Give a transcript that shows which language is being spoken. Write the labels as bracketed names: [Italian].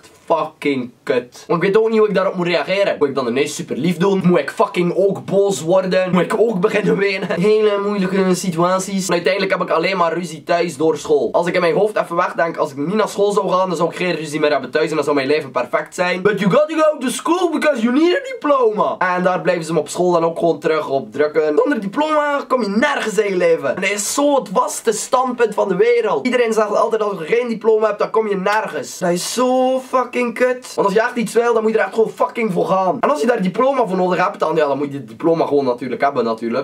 [Dutch] fucking kut. Want ik weet ook niet hoe ik daarop moet reageren. Moet ik dan ineens super lief doen? Moet ik fucking ook boos worden? Moet ik ook beginnen wenen? Hele moeilijke situaties. En uiteindelijk heb ik alleen maar ruzie thuis door school. Als ik in mijn hoofd even wegdenk, als ik niet naar school zou gaan, dan zou ik geen ruzie meer hebben thuis en dan zou mijn leven perfect zijn. [English] But you gotta go to school because you need a diploma. [Dutch] En daar blijven ze me op school dan ook gewoon terug op drukken. Zonder diploma kom je nergens in je leven. En dat is zo het vaste standpunt van de wereld. Iedereen zegt altijd als je geen diploma hebt, dan kom je nergens. Dat is zo fucking kut. Want als je echt iets wil, dan moet je er echt gewoon fucking voor gaan. En als je daar diploma voor nodig hebt, dan, ja, dan moet je het diploma gewoon natuurlijk hebben natuurlijk.